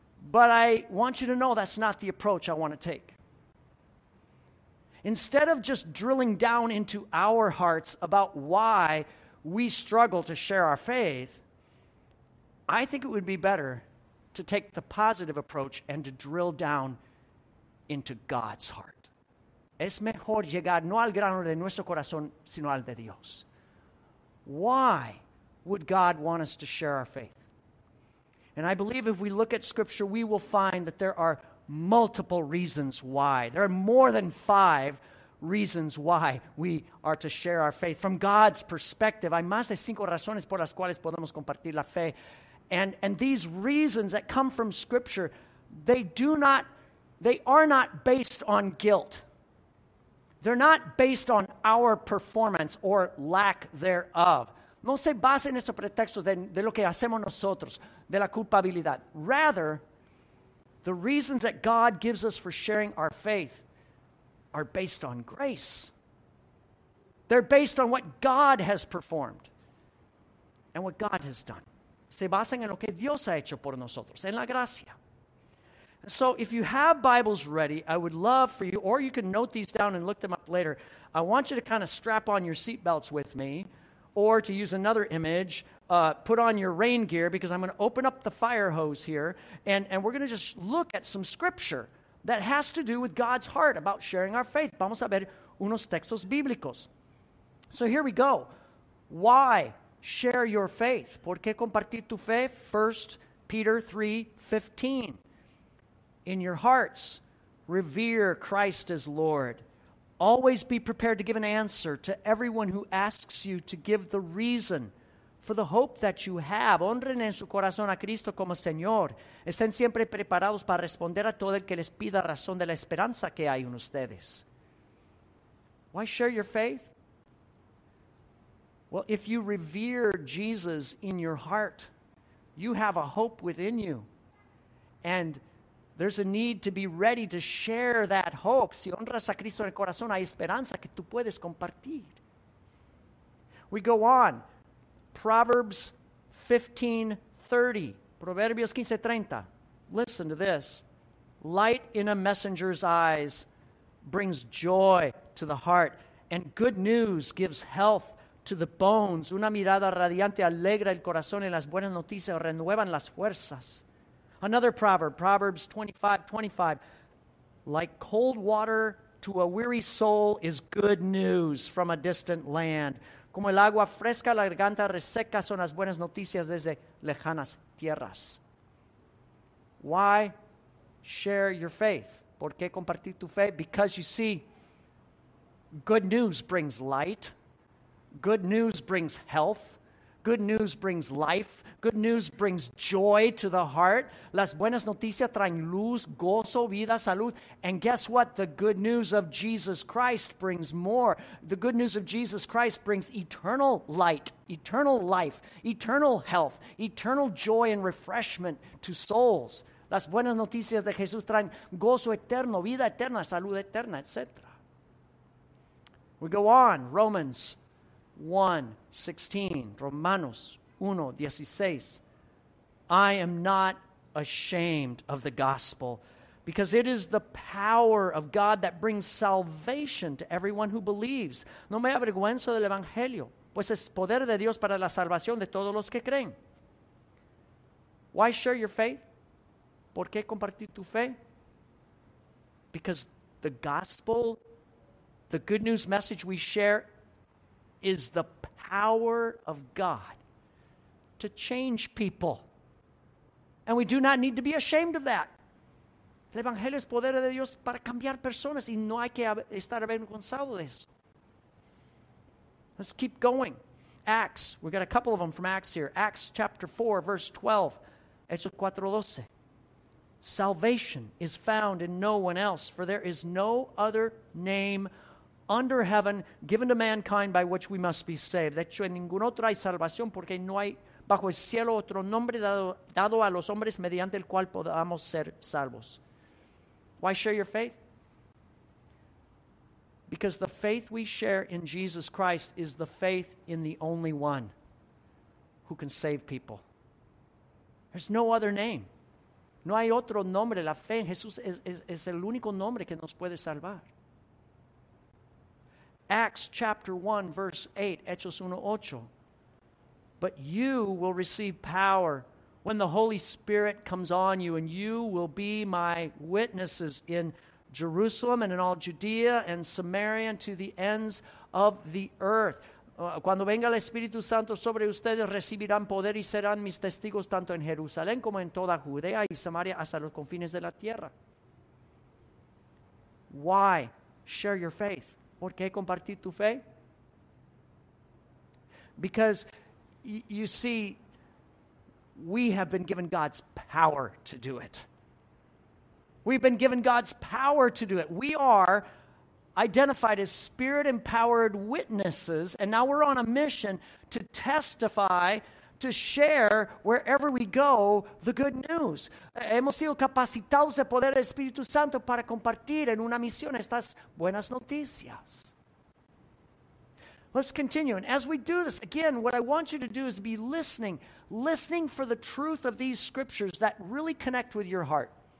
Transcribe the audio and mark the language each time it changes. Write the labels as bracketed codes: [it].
[en] But I want you to know that's not the approach I want to take. Instead of just drilling down into our hearts about why we struggle to share our faith, I think it would be better to take the positive approach and to drill down into God's heart. [es] Es mejor llegar no al grano de nuestro corazón, sino al de Dios. [en] Why would God want us to share our faith? And I believe if we look at Scripture, we will find that there are multiple reasons why. There are more than five reasons why we are to share our faith. From God's perspective, [es] hay más de cinco razones por las cuales podemos compartir la fe. [en] And these reasons that come from Scripture, they are not based on guilt. They're not based on our performance or lack thereof. [es] No se basa en ese pretexto de lo que hacemos nosotros, de la culpabilidad. [en] Rather, the reasons that God gives us for sharing our faith are based on grace. They're based on what God has performed and what God has done. [es] Se basan en lo que Dios ha hecho por nosotros, en la gracia. [en] So if you have Bibles ready, I would love for you, or you can note these down and look them up later. I want you to kind of strap on your seatbelts with me, or to use another image, put on your rain gear, because I'm going to open up the fire hose here, and we're going to just look at some scripture that has to do with God's heart about sharing our faith. [es] Vamos a ver unos textos bíblicos. [en] So here we go. Why share your faith? [es] ¿Por qué compartir tu fe? [en] 1 Peter 3:15. In your hearts, revere Christ as Lord. Always be prepared to give an answer to everyone who asks you to give the reason for the hope that you have. [es] Honren en su corazón a Cristo como Señor. Estén siempre preparados para responder a todo el que les pida razón de la esperanza que hay en ustedes. [en] Why share your faith? Well, if you revere Jesus in your heart, you have a hope within you. And there's a need to be ready to share that hope. [es] Si honras a Cristo en el corazón, hay esperanza que tú puedes compartir. [en] We go on. Proverbs 15:30. Proverbios 15:30. Listen to this. Light in a messenger's eyes brings joy to the heart, and good news gives health to the bones. [es] Una mirada radiante alegra el corazón, y las buenas noticias renuevan las fuerzas. [en] Another proverb, Proverbs 25:25. Like cold water to a weary soul is good news from a distant land. [es] Como el agua fresca, la garganta reseca son las buenas noticias desde lejanas tierras. [en] Why share your faith? [es] ¿Por qué compartir tu fe? [en] Because you see, good news brings light. Good news brings health. Good news brings life. Good news brings joy to the heart. [es] Las buenas noticias traen luz, gozo, vida, salud. [en] And guess what? The good news of Jesus Christ brings more. The good news of Jesus Christ brings eternal light, eternal life, eternal health, eternal joy and refreshment to souls. [es] las buenas noticias de Jesús traen gozo eterno, vida eterna, salud eterna, etc. [en] We go on, Romans 1, 16, Romanos 1, 16. I am not ashamed of the gospel, because it is the power of God that brings salvation to everyone who believes. [es] No me avergüenzo del evangelio, pues es poder de Dios para la salvación de todos los que creen. [en] Why share your faith? [es] ¿Por qué compartir tu fe? [en] Because the gospel, the good news message we share, is the power of God to change people. And we do not need to be ashamed of that. [es] El evangelio es poder de Dios para cambiar personas y no hay que estar avergonzado de eso. [en] Let's keep going. Acts. We got a couple of them from Acts here. Acts chapter 4, verse 12. Hechos 4:12. Salvation is found in no one else, for there is no other name under heaven given to mankind by which we must be saved. [es] De hecho, en ningún otro hay salvación, porque no hay bajo el cielo otro nombre dado a los hombres mediante el cual podamos ser salvos. [en] Why share your faith? Because the faith we share in Jesus Christ is the faith in the only one who can save people. There's no other name. [es] No hay otro nombre. La fe en Jesús es el único nombre que nos puede salvar. [en] Acts chapter 1, verse 8, Hechos 1:8. But you will receive power when the Holy Spirit comes on you, and you will be my witnesses in Jerusalem and in all Judea and Samaria and to the ends of the earth. [es] Cuando venga el Espíritu Santo sobre ustedes, recibirán poder y serán mis testigos tanto en Jerusalén como en toda Judea y Samaria hasta los confines de la tierra. [en] Why share your faith? [es] ¿Por qué compartir tu fe? [en] Because, you see, we have been given God's power to do it. We've been given God's power to do it. We are identified as Spirit-empowered witnesses, and now we're on a mission to testify, to share wherever we go the good news. [es] Hemos sido capacitados de poder del Espíritu Santo para compartir en una misión estas buenas noticias. [en] Let's continue. And as we do this, again, what I want you to do is be listening, listening for the truth of these scriptures that really connect with your heart.